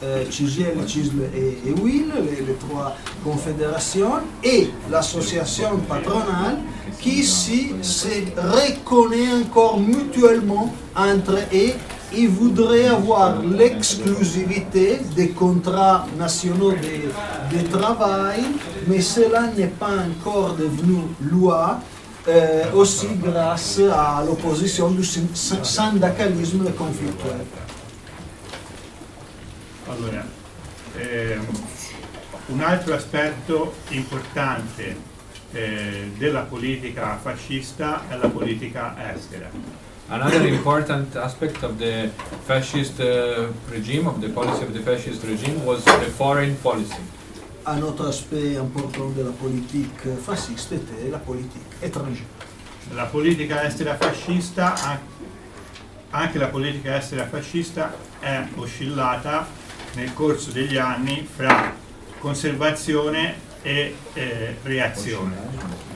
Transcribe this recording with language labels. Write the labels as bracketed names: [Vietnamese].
[French] CGL, CISL et UIL, les trois confédérations, et l'association patronale qui se reconnaît encore mutuellement entre eux et voudrait avoir l'exclusivité des contrats nationaux de travail mais cela n'est pas encore devenu loi, aussi grâce à l'opposition du syndicalisme conflictuel. [Italian] Allora, un altro aspetto importante della politica fascista è la politica estera. [English] Another important aspect of the fascist regime, of the policy of the fascist regime, was the foreign policy. [Italian] Un altro aspetto importante della politica fascista è la politica estera. La politica estera fascista, anche la politica estera fascista, è oscillata nel corso degli anni fra conservazione e reazione.